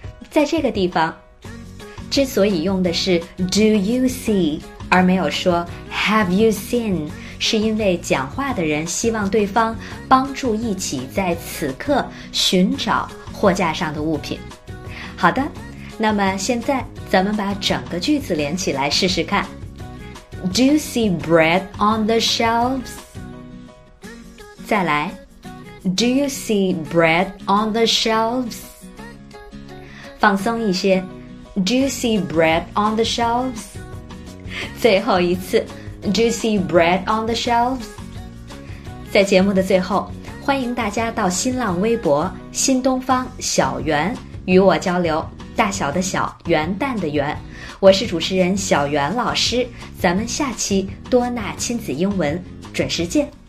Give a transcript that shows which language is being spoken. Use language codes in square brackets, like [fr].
[zh] 在这个地方，之所以用的是 Do you see, 而没有说 [en] Have you seen, [zh] 是因为讲话的人希望对方帮助一起在此刻寻找货架上的物品。好的，那么现在咱们把整个句子连起来试试看。 [en] Do you see bread on the shelves? [zh] 再来。 [en] Do you see bread on the shelves? [zh] 放松一些。 [en] Do you see bread on the shelves? [zh] 最后一次。 [en] Do you see bread on the shelves? [zh] 在节目的最后，欢迎大家到新浪微博新东方小袁与我交流，大小的小，元旦的元。我是主持人小袁老师，咱们下期多纳亲子英文准时见。